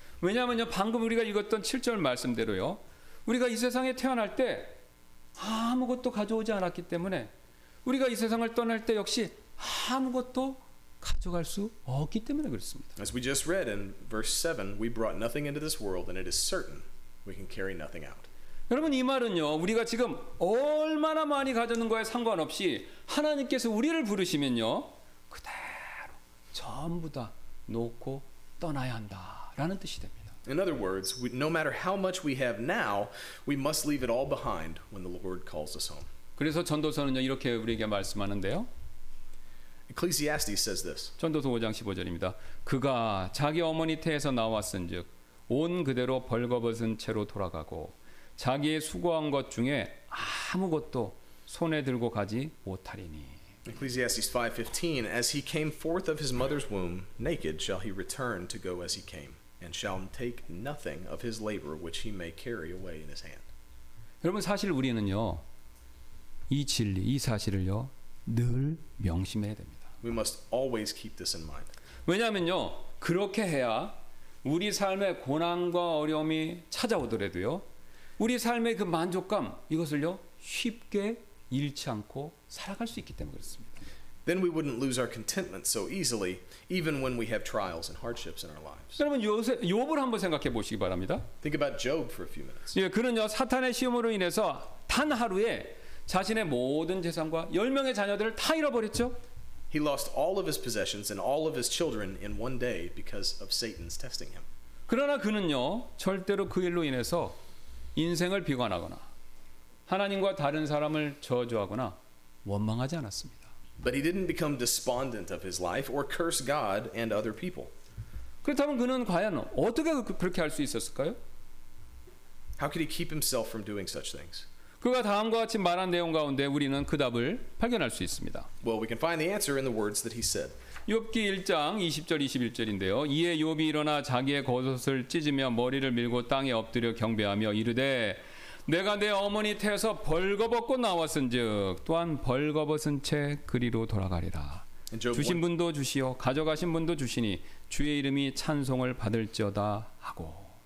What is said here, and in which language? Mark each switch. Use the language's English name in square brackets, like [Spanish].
[Korean] 왜냐하면요 방금 우리가 읽었던 7절 말씀대로요 우리가 이 세상에 태어날 때 아무것도 가져오지 않았기 때문에 우리가 이 세상을 떠날 때 역시 아무것도 가져갈 수 없기 때문에 그렇습니다. [English] As we just read in verse 7, we brought nothing into this world and it is certain we can carry nothing out. [Korean] 여러분 이 말은요 우리가 지금 얼마나 많이 가져오는 거에 상관없이 하나님께서 우리를 부르시면요 그대로 전부 다 놓고 떠나야 한다. [English] In other words, no matter how much we have now, we must leave it all behind when the Lord calls us home. [Korean] 그래서 전도서는요 이렇게 우리에게 말씀하는데요. [English] Ecclesiastes says this. [Korean] 전도서 5장 15절입니다. 그가 자기 어머니 태에서 나왔은즉 온 그대로 벌거벗은 채로 돌아가고 자기의 수고한 것 중에 아무것도 손에 들고 가지 못하리니. [English] Ecclesiastes 5:15, as he came forth of his mother's womb, naked shall he return to go as he came, and shall take nothing of his labor which he may carry away in his hand. [Korean] 여러분 사실 우리는요 이 진리 이 사실을요 늘 명심해야 됩니다. [English] We must always keep this in mind. [Korean] 왜냐하면요 그렇게 해야 우리 삶에 고난과 어려움이 찾아오더라도요, 우리 삶의 그 만족감 이것을요 쉽게 잃지 않고 살아갈 수 있기 때문에 그렇습니다. [English] Then we wouldn't lose our contentment so easily, even when we have trials and hardships in our lives. [Korean] 여러분 욥을 한번 생각해 보시기 바랍니다. [English] Think about Job for a few minutes. [Korean] 예, 그는요 사탄의 시험으로 인해서 단 하루에 자신의 모든 재산과 10명의 자녀들을 다 잃어버렸죠. [English] He lost all of his possessions and all of his children in one day because of Satan's testing him. [Korean] 그러나 그는요 절대로 그 일로 인해서 인생을 비관하거나 하나님과 다른 사람을 저주하거나 원망하지 않았습니다. [English] But he didn't become despondent of his life or curse God and other people. [Korean] 그렇다면 그는 과연 어떻게 그렇게 할 수 있었을까요? [English] How could he keep himself from doing such things? [Korean] 그가 다음과 같이 말한 내용 가운데 우리는 그 답을 발견할 수 있습니다. [English] Well, we can find the answer in the words that he said. [Korean] 욥기 1장 20절 21절인데요. 이에 욥이 일어나 자기의 겉옷을 찢으며 머리를 밀고 땅에 엎드려 경배하며 이르되 내가 내 어머니 태에서 벌거벗고 나왔은즉 또한 벌거벗은 채 그리로 돌아가리라. 주신 분도 주시오 가져가신 분도 주시니 주의 이름이 찬송을 받을지어다 하고.